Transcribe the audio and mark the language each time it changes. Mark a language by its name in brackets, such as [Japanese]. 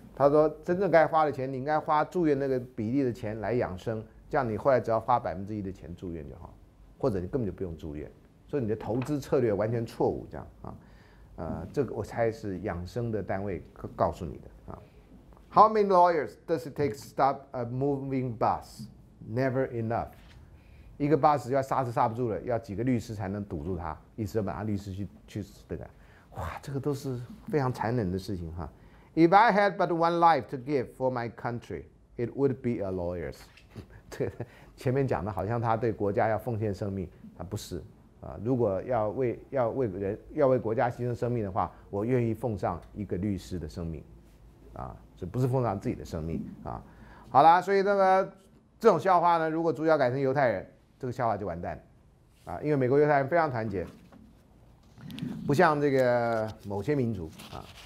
[Chinese] 他说：“真正该花的钱，你应该花住院那个比例的钱来养生，这样你后来只要花1%的钱住院就好，或者你根本就不用住院。所以你的投资策略完全错误，这样啊，这个我猜是养生的单位告诉你的啊。 [English] How many lawyers does it take to stop a moving bus? Never enough. [Chinese] 一个 bus 要刹车刹不住了，要几个律师才能堵住它，意思要把他律师去对待。哇，这个都是非常残忍的事情哈。” [English] If I had but one life to give for my country, it would be a lawyer's. [Chinese] 对，前面讲的好像他对国家要奉献生命，他不是啊。如果要为国家牺牲生命的话，我愿意奉上一个律师的生命，啊，这不是奉上自己的生命啊。好啦，所以那个这种笑话呢，如果主角改成犹太人，这个笑话就完蛋了啊，因为美国犹太人非常团结，不像这个某些民族啊。